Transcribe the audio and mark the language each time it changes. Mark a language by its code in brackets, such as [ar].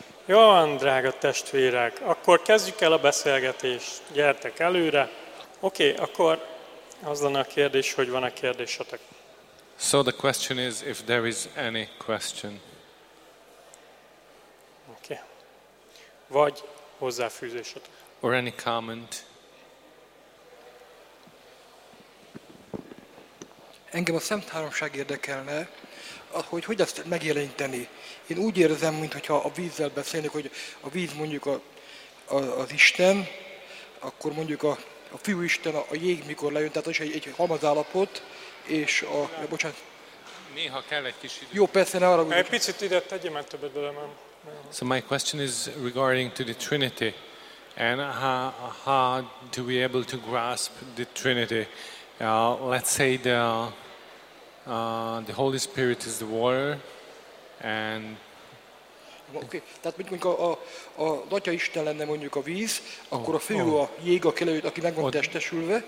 [hu] Jó van, drága testvérek, akkor kezdjük el a beszélgetést, gyertek előre. Oké, akkor az lenne a kérdés, hogy van-e kérdésetek? [en] So the question is if there is any question. [hu] Oké. Vagy hozzáfűzésetek. [en] Or any comment. [hu] Engem a szemtáromság érdekelne, hogy ezt megjeleníteni. Én úgy érzem, mintha a vízzel beszélnék, hogy a víz mondjuk az Isten, akkor mondjuk a fiú Isten, a jég mikor lejön, tehát az is egy halmazállapot, és a... Ja, bocsánat. Néha kell egy kis idő. Jó, persze, ne arra. Egy picit ide tegyem, el többet bele, nem. [en] So my question is regarding to the Trinity, and how to be able to grasp the Trinity. Let's say the Holy Spirit is the water, and okay. [hu] Tehát mondjuk az Atya Isten lenne mondjuk a víz, akkor a fiú a jég, aki meg van testesülve.